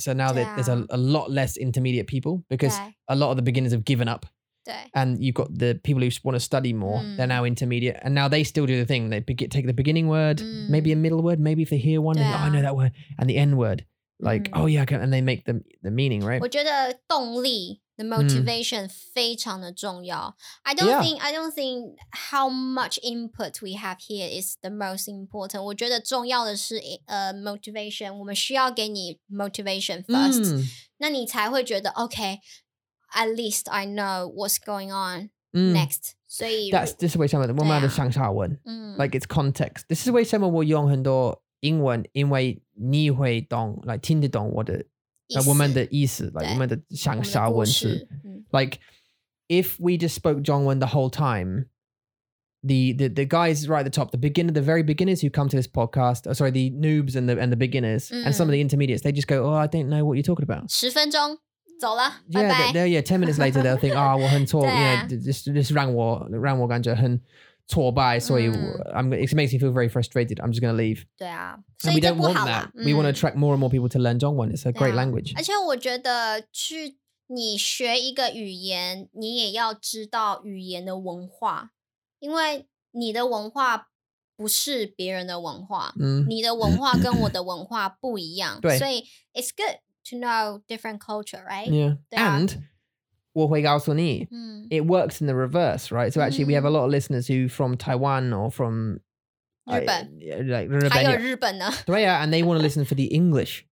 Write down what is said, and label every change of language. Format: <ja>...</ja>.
<en>So now that there's a lot less intermediate people because a lot of the beginners have given up and you've got the people who want to study more, they're now intermediate and now they still do the thing. They take the beginning word, maybe a middle word, maybe if they hear one, they go, oh, I know that word, and the end word. Like, oh yeah, okay, and they make the meaning, right?</en> <zh>我觉得动力,</zh> <en>the motivation</en> <zh>非常的重要。</zh> <en>I don't think how much input we have here is the most important.</en> <zh>我觉得重要的是motivation, 我们需要给你</zh> <en>motivation first.</en> <zh>那你才会觉得,</zh> <en>okay, at least I know what's going on next.</en> <zh>所以,</zh> <en>that's this way some of the,</en> <zh>我们要上下文,</zh> <en>like it's context. This is why some of</en> <zh>我用很多英文因为你会懂</zh> <en>like</en> <zh>听得懂我的我们的意思</zh> <en>like</en> <zh>我们的想啥文字</zh> <en>like if we just spoke 中文 the whole time the guys right at the top the beginner the very beginners who come to this podcast oh, sorry the noobs and the beginners and some of the intermediates they just go oh I don't know what you're talking about</en> <zh>十分钟走了</zh> <en>yeah, bye bye. Yeah 10 minutes later they'll think oh</en> <zh>我很错</zh> <en>yeah, just</en> <zh>让我感觉很挫败所以</zh> <en>it makes me feel very frustrated. I'm just going to leave.</en> <zh>对啊</zh> <en>And we don't want that. We want to attract more and more people to learn 中文. It's a great language.</en> <zh>而且我觉得去你学一个语言你也要知道语言的文化因为你的文化不是别人的文化你的文化跟我的文化不一样对所以</zh> <en>it's good to know different culture, right? Yeah. And...</en> <zh>我会告诉你</zh> <en>it works in the reverse, right? So actually, we have a lot of listeners who from Taiwan or from...</en> <zh>日本。还有日本呢。对啊,</zh> <en>and they want to listen for the English.</en>